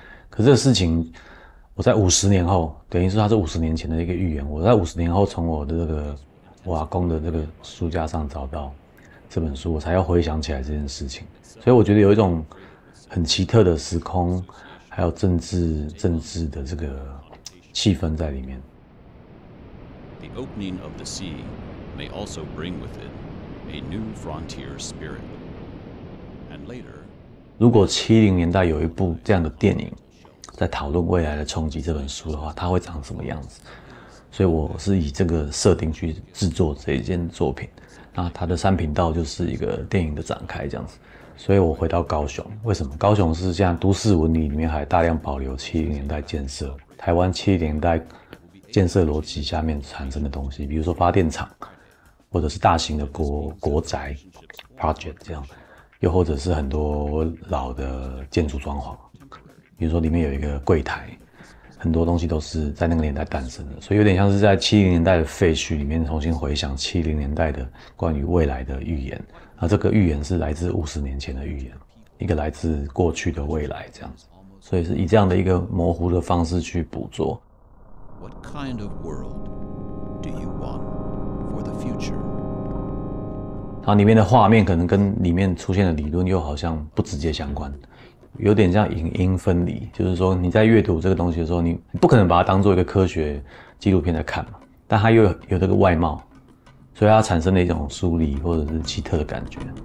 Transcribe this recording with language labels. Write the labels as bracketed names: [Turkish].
[Chinese] 可这个事情我在50年后，等于说它是50年前的一个预言，我在50年后从我的这个我阿公的这个书架上找到这本书，我才要回想起来这件事情。所以我觉得有一种很奇特的时空还有政治的这个气氛在里面。 [English] The opening of the sea may also bring with it a new frontier spirit. And later, [Chinese] 如果70年代有一部这样的电影，在讨论未来的冲击这本书的话，它会长什么样子？所以我是以这个设定去制作这一件作品。那它的三频道就是一个电影的展开这样子。所以我回到高雄，为什么？高雄是像都市文理里面还大量保留70年代建设，台湾70年代。建设逻辑下面产生的东西，比如说发电厂，或者是大型的国宅 project 这样，又或者是很多老的建筑装潢，比如说里面有一个柜台，很多东西都是在那个年代诞生的，所以有点像是在70年代的废墟里面重新回想70年代的关于未来的预言。那这个预言是来自50年前的预言，一个来自过去的未来这样子，所以是以这样的一个模糊的方式去捕捉。 [English] What kind of world do you want for the future? [Chinese] 它里面的画面可能跟里面出现的理论又好像不直接相关，有点像影音分离。就是说你在阅读这个东西的时候，你不可能把它当作一个科学纪录片在看嘛，但它又有这个外貌，所以它产生了一种疏离或者是奇特的感觉。